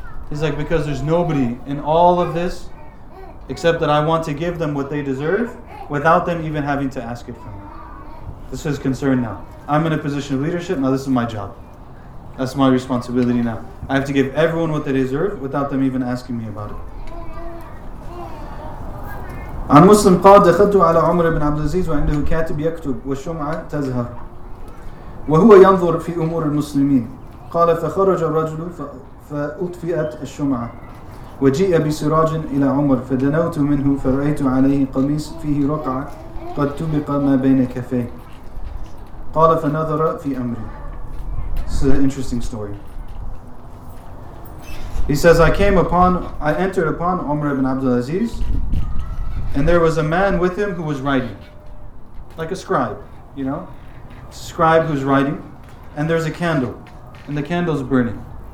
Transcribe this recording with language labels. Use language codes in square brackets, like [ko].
[en] He's like, because there's nobody in all of this except that I want to give them what they deserve without them even having to ask it from me. This is his concern now. I'm in a position of leadership, now this is my job. That's my responsibility now. I have to give everyone what they deserve without them even asking me about it. [ar] عن مسلم قال دخلت على عمر بن عبد العزيز وعنده كاتب يكتب والشمعة تزهر وهو ينظر في أمور المسلمين قال فخرج الرجل فأطفئت الشمعة وجيء بسراج إلى عمر فدنوت منه فرأيت عليه قميص فيه رقعة قد تبق ما بين كفيه قال فنظر في أمري. [en] This is an interesting story. He says, I entered upon Umar ibn Abd al-Aziz, and there was a man with him who was writing, like a scribe, you know, scribe who's writing, and there's a candle, and the candle's burning.